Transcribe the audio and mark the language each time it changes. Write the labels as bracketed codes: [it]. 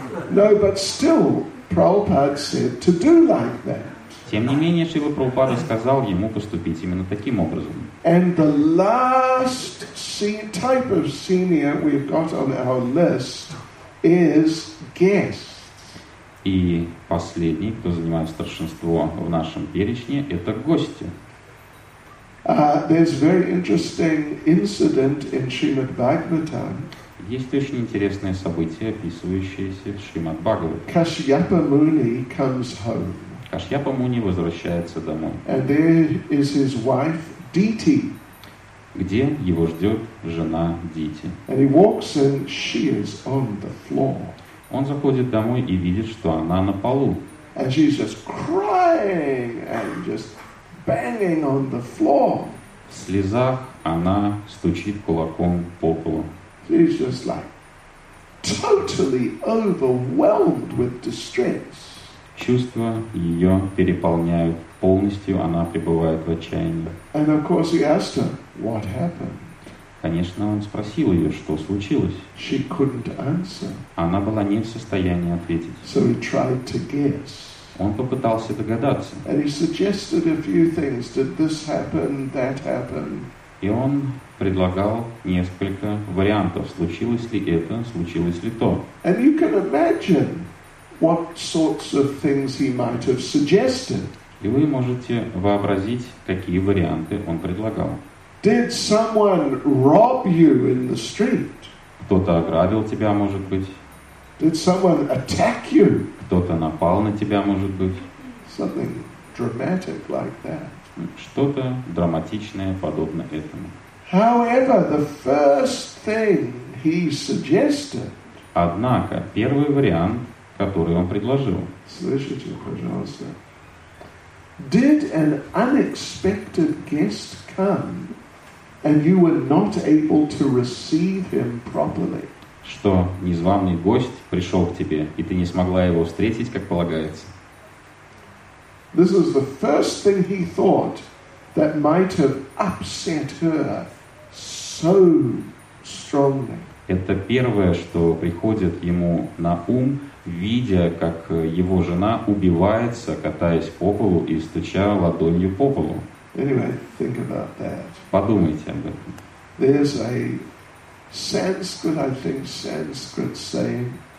[en] No, but still, Prabhupada said to do like that. [ru] Тем не менее, Шрила Прабхупада сказал ему поступить именно таким образом. [en] And the last type of senior we've got on our list is guest. [ru] И последний, кто занимает старшинство в нашем перечне, это гости. [en] There's a very interesting incident in Srimad Bhagavatam. [ru] Есть очень интересное событие, описывающееся в Шримад-Бхагаватам. [en] Кашьяпа Муни comes home. [ru] Кашьяпа Муни возвращается домой. [en] And there is his wife, Дити. [ru] Где его ждет жена Дити. [en] And he walks and she is on the floor. [ru] Он заходит домой и видит, что она на полу. [en] And she's just crying and just banging on the floor. [ru] В слезах она стучит кулаком по полу. [en] She's just like totally overwhelmed with distress. [ru] Чувства ее переполняют полностью, она пребывает в отчаянии. [en] And of course he asked her, what happened? [ru] Конечно, он спросил ее, что случилось. [en] She couldn't answer. [ru] Она была не в состоянии ответить. [en] So he tried to guess. [ru] Он попытался догадаться. [en] And he suggested a few things. Did this happen, that happen? [ru] И он предлагал несколько вариантов. Случилось ли это, случилось ли то. [en] And you can imagine what sorts of things he might have suggested. [ru] И вы можете вообразить, какие варианты он предлагал. [en] Did someone rob you in the street? [ru] Кто-то ограбил тебя, может быть. [en] Did someone attack you? [ru] Кто-то напал на тебя, может быть. [en] Something dramatic like that. [ru] Что-то драматичное, подобно этому. [en] However, the first thing he suggested... [ru] Однако, первый вариант, который он предложил... Слышите, пожалуйста. [en] Did an unexpected guest come... And you were not able to receive him properly. [ru] Что незваный гость пришел к тебе, и ты не смогла его встретить, как полагается. [en] This is the first thing he thought that might have upset her so strongly. [ru] Это первое, что приходит ему на ум, видя, как его жена убивается, катаясь по полу и стуча ладонью по полу. [en] Anyway, think about that. [ru] Подумайте об этом. [en] There's a Sanskrit, I think Sanskrit saying.